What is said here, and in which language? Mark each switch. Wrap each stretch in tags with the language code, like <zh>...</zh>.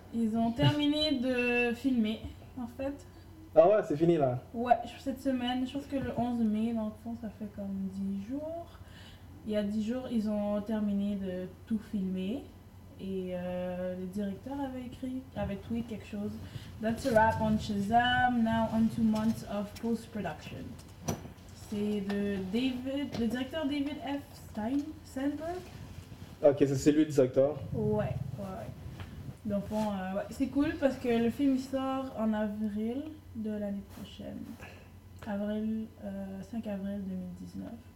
<fr>Ils ont terminé de filmer, en fait. Ah ouais, c'est fini là. Ouais, cette semaine, je pense que le 11 mai, dans le fond, ça fait comme 10 jours. Il y a 10 jours, ils ont terminé de tout filmer. Et le directeur avait tweeté quelque chose.</fr> <en>That's a wrap on Shazam, now on 2 months of post-production.</en> <fr>C'est de le directeur David F. Sandberg. Ok, c'est lui le directeur. Ouais. Dans le fond, c'est cool parce que le film sort en avril. De l'année prochaine, avril, 5 avril 2019.</fr>